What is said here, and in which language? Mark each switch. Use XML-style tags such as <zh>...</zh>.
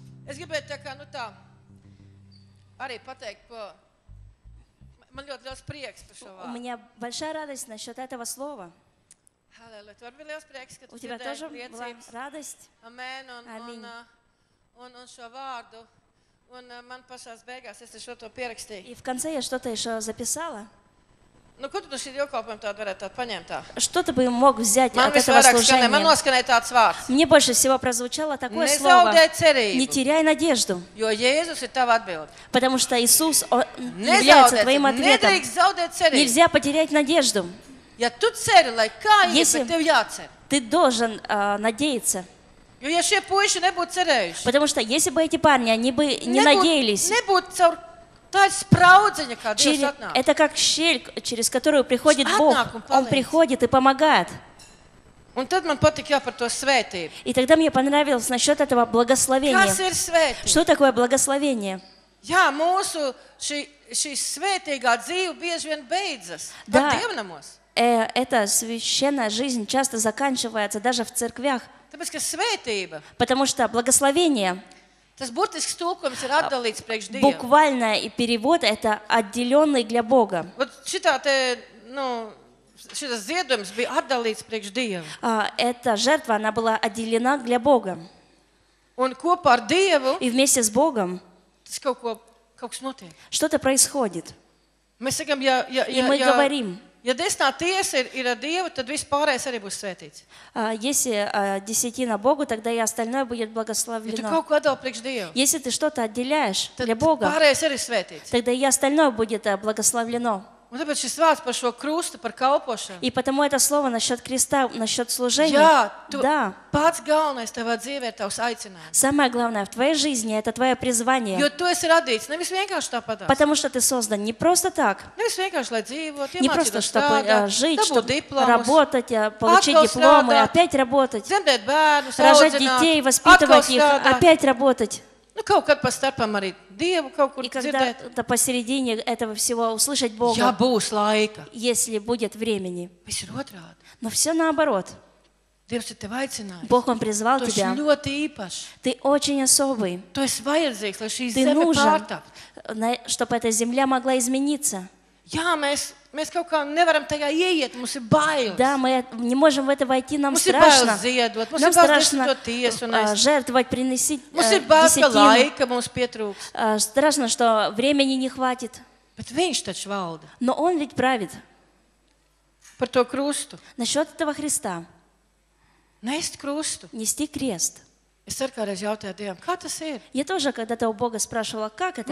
<lv>Es gribētu tā kā, nu tā, arī pateikt, ko man ļoti liels prieks par šo vārdu.</lv> <ru>У меня большая радость насчёт этого слова.</ru> <lv>Halleluja, tu arī bija liels prieks, ka tu dzirdēji liecības.</lv> <ru>У тебя тоже была радость.</ru> <lv>Amen. Amen. Un šo vārdu. Un man pašās beigās, es šo to pierakstīju.</lv> <ru>И в конце я что-то ещё записала.</ru> <lv>Ну, ko tu no šīs dievkalpojuma tādu varētu tādu paņemt tā?</lv> <ru>Что ты бы мог взять от этого служения?</ru> <lv>Man noskanēja tāds vārds.</lv> <ru>Мне больше всего прозвучало такое</ru> <lv>Nezaudē</lv> <ru>слово.</ru> <lv>Nezaudē cerību.</lv> <ru>Не теряй надежду.</ru> <lv>Jo Jēzus ir tava atbilde.</lv> <ru>Потому что Иисус является твоим ответом.</ru> <lv>Nedrīkst zaudēt cerību.</lv> <ru>Нельзя потерять надежду.</ru> <lv>Ja tu ceri, lai kā ir, bet tev jācer.</lv> <ru>Ты должен надеяться.</ru> <lv>Jo ja šie puiši nebūtu cerējuši.</lv> <ru>Потому что если бы эти парни, они бы не надеялись. Nebūtu caur Та справдзяня, когда Дios отнак. Это как щель, через которую приходит Бог. Он приходит и помогает.</ru> <lv>Un tad man patika jau par to svētību.</lv> <ru>И тогда мне понравилось насчёт этого благословения.</ru> <lv>Kas ir svētība?</lv> <ru>Что такое благословение?</ru> <lv>Jā, mūsu šī svētīgā dzīve bieži vien beidzas. Да. Pat dievnamos.</lv> <ru>Эта священная жизнь часто заканчивается даже в церквях.</ru> <lv>Tāpēc, ka svētība.</lv> <ru>Потому что благословение.</ru> <lv>Tas būtisks tulkojums ir atdalīts priekš Dieva.</lv> <ru>Буквально и перевод это отделённый для Бога. Вот читате, ну,</ru> <lv>šitas ziedojums bija atdalīts priekš Dieva.</lv> <ru>Эта жертва она была отделена для Бога.</ru> <lv>Un kopā ar Dievu.</lv> <ru>И вместе с Богом.</ru> <lv>Tas kaut kas notiek.</lv> <ru>Что-то происходит.</ru> <lv>Mēs sakam,</lv> <ru>говорим.</ru> <lv>Ja desnā tiesa ir ar Dievu, tad viss pārējais arī būs svētīts.</lv> <ru>Если десятина Богу, тогда и остальное будет благословлено.</ru> <lv>Ja tu kaut ko atdali priekš Dievu.</lv> <ru>Если ты что-то отделяешь</ru> <lv>tad</lv> <ru>для Бога,</ru> <lv>pārējais arī svētīts.</lv> <ru>Тогда и остальное будет благословлено.</ru> <lv>Un tāpēc šis vārds par šo krustu, par kalpošanu.</lv> <ru>И потому это слово насчёт креста, насчёт служения.</ru> <lv>Jā, tu да. Pats galvenais tavā dzīvē ir tavs aicinājums.</lv> <ru>Самое главное в твоей жизни это твоё призвание.</ru> <lv>Jo tu esi radīts, nevis vienkārši tāpat.</lv> <ru>Потому что ты создан не просто так.</ru> <lv>Nevis vienkārši lai dzīvot,</lv> <ru>не просто чтобы жить, чтобы работать, получить диплом и опять работать.</ru> <lv>Zemdēt bērnus,</lv> <ru>рожать детей, воспитывать их, опять работать.</ru> <lv>Ну, kaut kad pastarpam arī Dievu kaut kur dzirdēt.</lv> <ru>И когда-то посередине этого всего услышать Бога.</ru> <lv>Ja būs laika.</lv> <ru>Если будет времени.</ru> <lv>Viss ir otrādi.</lv> <ru>Но все наоборот.</ru> <lv>Dievs ir tev aicinājis.</lv> <ru>Бог он призвал</ru> <lv>tu</lv> <ru>тебя.</ru> <lv>Tu esi ļoti īpašs.</lv> <ru>Ты очень особый.</ru> <lv>Tu esi vajadzīgs, lai šī zeme pārtapt.</lv> <ru>Чтобы эта земля могла измениться.</ru> <lv>Jā, mēs kaut kā nevaram tajā ieiet, mums ir bailes.</lv> <ru>Да, мы не можем в это войти, нам</ru> <lv>mums</lv> <ru>страшно.</ru> <lv>Mums ir bailes ziedot, mums ir bailes ziedot to tiesu.</lv> <ru>Жертвовать, приносить</ru> <lv>Mums ir bailes, ka laika mums pietrūks.</lv> <ru>Страшно, что времени не хватит.</ru> <lv>Bet viņš taču valda.</lv> <ru>Но он ведь правит.</ru> <lv>Par to krustu.</lv> <ru>Насчёт этого Христа.</ru> <lv>Nest krustu.</lv> <ru>Нести крест.</ru> <lv>Es ceru, kā reiz jautāju Dievam, kā tas ir?</lv> <ru>Я тоже когда-то у Бога спрашивала, как это?</ru>